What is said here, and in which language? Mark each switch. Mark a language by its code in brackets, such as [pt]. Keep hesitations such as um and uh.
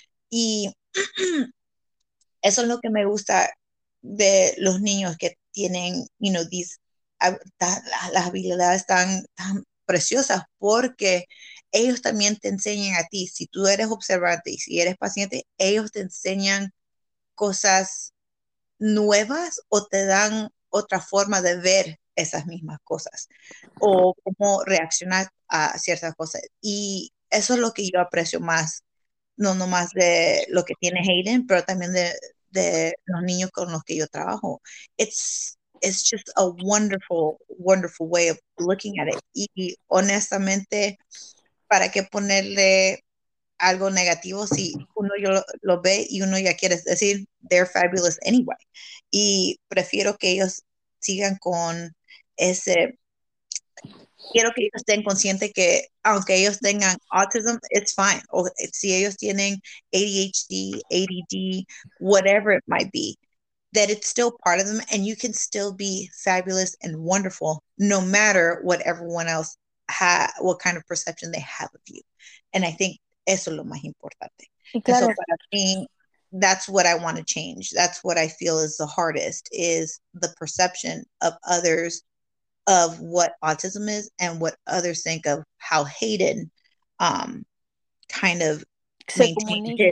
[es] Y eso es lo que me gusta de los niños que tienen, [en] you know, these, [es] hab- ta- la- las habilidades tan, tan preciosas, porque ellos también te enseñan a ti, si tú eres observante y si eres paciente, ellos te enseñan cosas nuevas o te dan otra forma de ver esas mismas cosas o cómo reaccionar a ciertas cosas. Y eso es lo que yo aprecio más, no nomás de lo que tiene Hayden, pero también de, de los niños con los que yo trabajo. [en] It's, it's just a wonderful, wonderful way of looking at it. [es] Y, y honestamente, ¿para qué ponerle algo negativo si uno yo lo, lo ve y uno ya quiere decir, [en] they're fabulous anyway? [es] Y prefiero que ellos sigan con ese quiero que ellos estén conscientes que aunque ellos tengan autism, [en] it's fine. [es] O si ellos tienen [en] ADHD, ADD, whatever it might be, that it's still part of them and you can still be fabulous and wonderful no matter what everyone else ha what kind of perception they have of you. And I think [es] eso es lo más importante. y [en] And so [es] claro, para mí, [en] that's what I want to change. That's what I feel is the hardest is the perception of others of what autism is and what others think of how Hayden um kind of [es] se [en] maintains his